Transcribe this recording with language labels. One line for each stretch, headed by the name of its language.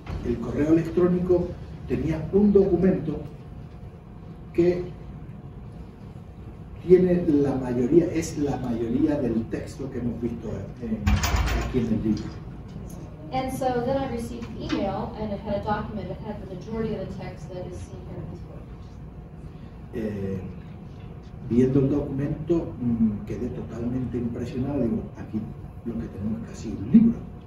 Spanish: El correo electrónico tenía un documento que tiene la mayoría, es la mayoría del texto que hemos visto aquí en el libro.
English: And so then I received an email and it had a document that had the majority of the text that is seen here in this book.
Spanish: Viendo el documento quedé totalmente impresionado, digo, aquí lo que tenemos es casi un libro.